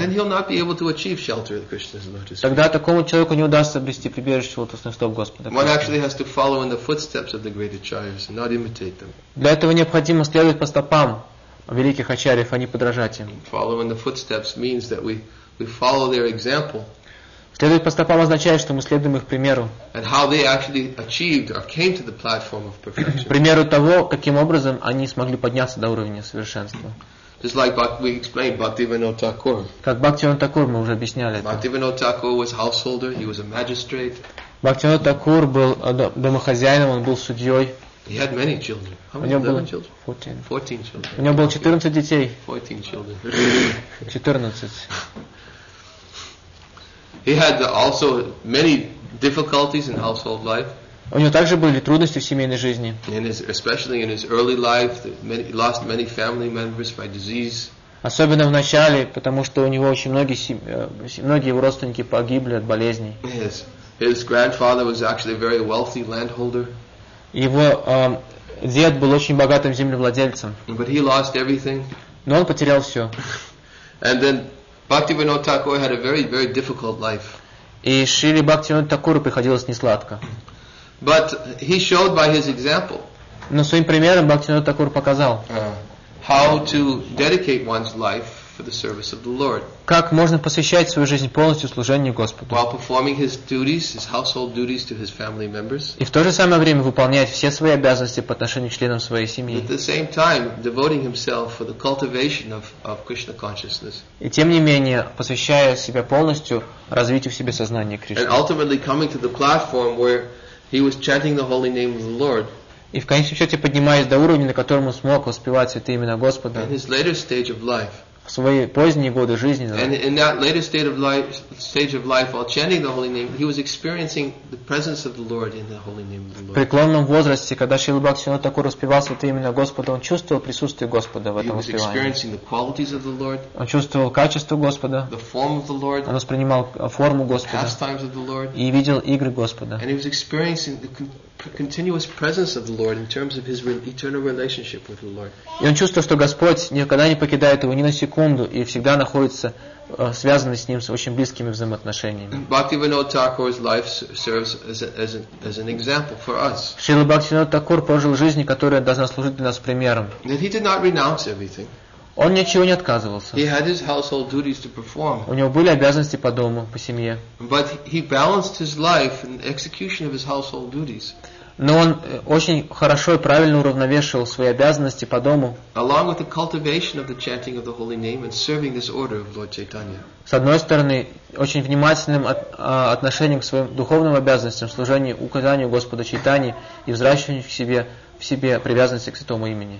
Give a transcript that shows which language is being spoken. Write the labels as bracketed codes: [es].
[en] then he'll not be able to achieve shelter at Krishna's lotus feet. [ru] Тогда такому человеку не удастся обрести прибежище в лотосных стоп Господа. [en] One actually has to follow in the footsteps of the great acharyas and not imitate them. [ru] Для этого необходимо следовать по стопам великих ачарьев, а не подражать им. [en] Following the footsteps means that we follow their example. [ru] Следовать по стопам означает, что мы следуем их примеру. [en] And how they actually achieved or came to the platform of perfection. [ru] Примеру того, каким образом они смогли подняться до уровня совершенства. [en] Just like we explained, Bhaktivinoda Thakur. [ru] Как Бхактивинода Такур мы уже объясняли. [en] Bhaktivinoda Thakur was householder. He was a magistrate. [ru] Бхактивинода Такур был домохозяином. Он был судьей. [en] He had many children. How many? 11 children. 14. 14 children. [ru] У него было 14 детей. [en] 14 children. 14. He had also many difficulties in household life. [ru] У него также были трудности в семейной жизни. [en] Especially in his early life, he lost many family members by disease. [ru] Особенно в начале, потому что у него очень многие его родственники погибли от болезней. [en] His grandfather was actually a very wealthy landholder. [ru] Его дед был очень богатым землевладельцем. [en] But he lost everything. [ru] Но он потерял все. [en] And then Bhaktivinod Thakur had a very, very difficult life. [ru] И Шри Бхактивинод Такуру приходилось несладко. [en] But he showed by his example. [ru] Но своим примером Бхактивинод Такур показал. [en] How to dedicate one's life for the service of the Lord. [ru] Как можно посвящать свою жизнь полностью служению Господу. [en] While performing his duties, his household duties to his family members. [ru] И в то же самое время выполнять все свои обязанности по отношению к членам своей семьи. [en] At the same time, devoting himself for the cultivation of Krishna consciousness. [ru] И тем не менее, посвящая себя полностью развитию в себе сознания Кришны. [en] And ultimately coming to the platform where he was chanting the holy name of the Lord. [ru] И в конечном счете поднимаясь до уровня, на котором он смог воспевать святые имена Господа. [en] In his later stage of life. [ru] В свои поздние годы жизни. [en] And in that later stage of life, while chanting the holy name, he was experiencing the presence of the Lord in the holy name of the Lord. [ru] В преклонном возрасте, когда Шрила Бхактивинод Такур воспевал святые имена Господа, он чувствовал присутствие Господа в этом воспевании. [en] He was experiencing the qualities of the Lord. [ru] Он чувствовал качество Господа. [en] The form of the Lord. [ru] Он воспринимал форму Господа. [en] The pastimes of the Lord. [ru] И видел игры Господа. [en] And he was experiencing the continuous presence of the Lord in terms of his eternal relationship with the Lord. [ru] И он чувствовал, что Господь никогда не покидает его ни на секунду и всегда находится связанный с ним с очень близкими взаимоотношениями. [en] Bhaktivinoda Thakur's life serves as an example for us. [ru] Шрила Бхактивинод Такур прожил жизнь, которая должна служить для нас примером. [en] That he did not renounce everything. [ru] Он ничего не отказывался. [en] He had his household duties to perform. [ru] У него были обязанности по дому, по семье. [en] But he balanced his life in the execution of his household duties. [ru] Но он очень хорошо и правильно уравновешивал свои обязанности по дому. [en] Along with the cultivation of the chanting of the holy name and serving this order of Lord Chaitanya. [ru] С одной стороны, очень внимательным отношением к своим духовным обязанностям, служению указанию Господа Чайтани и взращиванию в себе привязанности к святому имени.